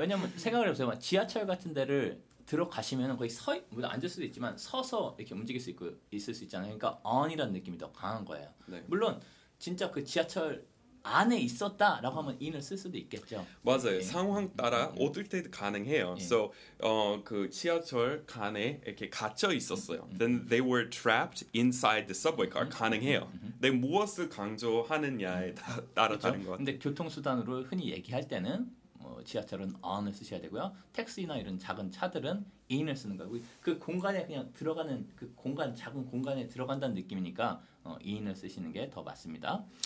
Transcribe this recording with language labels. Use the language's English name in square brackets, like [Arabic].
[Korean] 왜냐면 생각을 해보세요. 지하철 같은 데를 들어가시면 거의 서 물론 앉을 수도 있지만 서서 이렇게 움직일 수 있고 있을 수 있잖아요. 그러니까 on이라는 느낌이 더 강한 거예요. 네. 물론 진짜 그 지하철 안에 있었다라고 하면 in을 쓸 수도 있겠죠. 맞아요. 네. 상황 따라 어떨 때도 가능해요. 네. So 그 지하철 간에 이렇게 갇혀 있었어요. [English] Then they were trapped inside the subway car. [Korean] 가능해요. 근데 무엇을 강조하느냐에 따라 다른 것 같아요. 근데 교통수단으로 흔히 얘기할 때는 뭐 지하철은 on을 쓰셔야 되고요. 택시나 이런 작은 차들은 in을 쓰는 거고 그 공간에 그냥 들어가는 그 공간 작은 공간에 들어간다는 느낌이니까 in을 쓰시는 게 더 맞습니다.